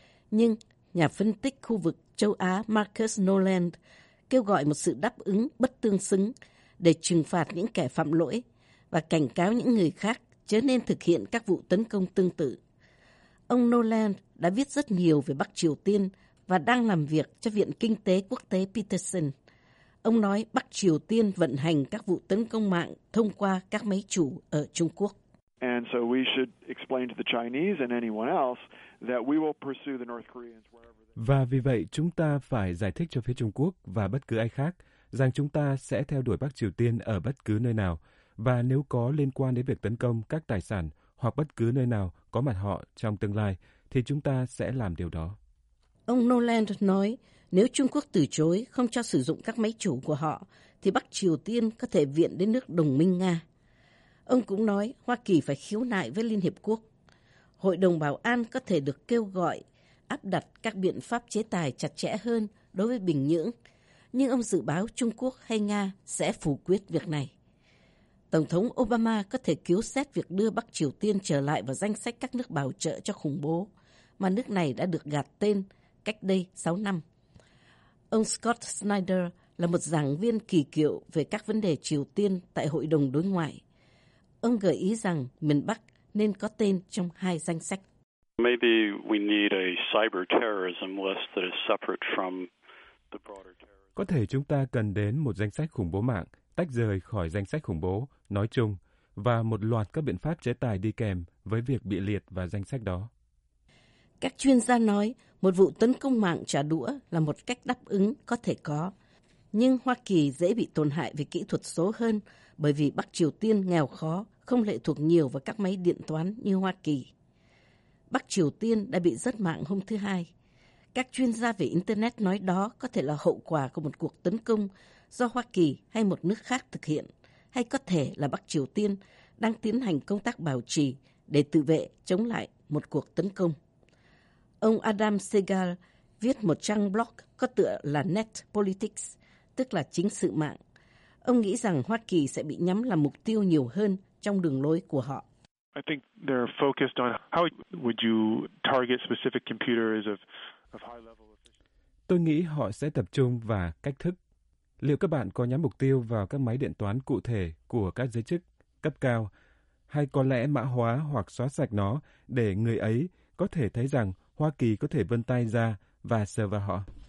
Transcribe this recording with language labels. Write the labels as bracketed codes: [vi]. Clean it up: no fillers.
[vi] Nhưng nhà phân tích khu vực châu Á Marcus Noland kêu gọi một sự đáp ứng bất tương xứng để trừng phạt những kẻ phạm lỗi và cảnh cáo những người khác chớ nên thực hiện các vụ tấn công tương tự. Ông Noland đã viết rất nhiều về Bắc Triều Tiên và đang làm việc cho Viện Kinh tế Quốc tế Peterson. Ông nói Bắc Triều Tiên vận hành các vụ tấn công mạng thông qua các máy chủ ở Trung Quốc. [en] And so we should explain to the Chinese and anyone else that we will pursue the North Koreans wherever. [vi] Và vì vậy, chúng ta phải giải thích cho phía Trung Quốc và bất cứ ai khác rằng chúng ta sẽ theo đuổi Bắc Triều Tiên ở bất cứ nơi nào và nếu có liên quan đến việc tấn công các tài sản hoặc bất cứ nơi nào có mặt họ trong tương lai, thì chúng ta sẽ làm điều đó. Ông Noland nói, nếu Trung Quốc từ chối không cho sử dụng các máy chủ của họ, thì Bắc Triều Tiên có thể viện đến nước đồng minh Nga. Ông cũng nói Hoa Kỳ phải khiếu nại với Liên Hiệp Quốc. Hội đồng Bảo an có thể được kêu gọi áp đặt các biện pháp chế tài chặt chẽ hơn đối với Bình Nhưỡng, nhưng ông dự báo Trung Quốc hay Nga sẽ phủ quyết việc này. Tổng thống Obama có thể cứu xét việc đưa Bắc Triều Tiên trở lại vào danh sách các nước bảo trợ cho khủng bố, mà nước này đã được gạt tên cách đây 6 năm. Ông Scott Snyder là một giảng viên kỳ cựu về các vấn đề Triều Tiên tại Hội đồng Đối ngoại. Ông gợi ý rằng miền Bắc nên có tên trong hai danh sách. [en] Maybe we need a cyber terrorism list that is separate from the broader terrorism. [vi] Có thể chúng ta cần đến một danh sách khủng bố mạng tách rời khỏi danh sách khủng bố nói chung và một loạt các biện pháp chế tài đi kèm với việc bị liệt vào danh sách đó. Các chuyên gia nói một vụ tấn công mạng trả đũa là một cách đáp ứng có thể có, nhưng Hoa Kỳ dễ bị tổn hại về kỹ thuật số hơn bởi vì Bắc Triều Tiên nghèo khó, không lệ thuộc nhiều vào các máy điện toán như Hoa Kỳ. Bắc Triều Tiên đã bị rớt mạng hôm thứ Hai. Các chuyên gia về Internet nói đó có thể là hậu quả của một cuộc tấn công do Hoa Kỳ hay một nước khác thực hiện, hay có thể là Bắc Triều Tiên đang tiến hành công tác bảo trì để tự vệ chống lại một cuộc tấn công. Ông Adam Segal viết một trang blog có tựa là Net Politics, tức là chính sự mạng. Ông nghĩ rằng Hoa Kỳ sẽ bị nhắm làm mục tiêu nhiều hơn trong đường lối của họ. [en] I think they're focused on how would you target specific computers of high level efficiency. [vi] Tôi nghĩ họ sẽ tập trung vào cách thức. Liệu các bạn có nhắm mục tiêu vào các máy điện toán cụ thể của các giới chức cấp cao, hay có lẽ mã hóa hoặc xóa sạch nó để người ấy có thể thấy rằng Hoa Kỳ có thể vươn tay ra và sờ vào họ.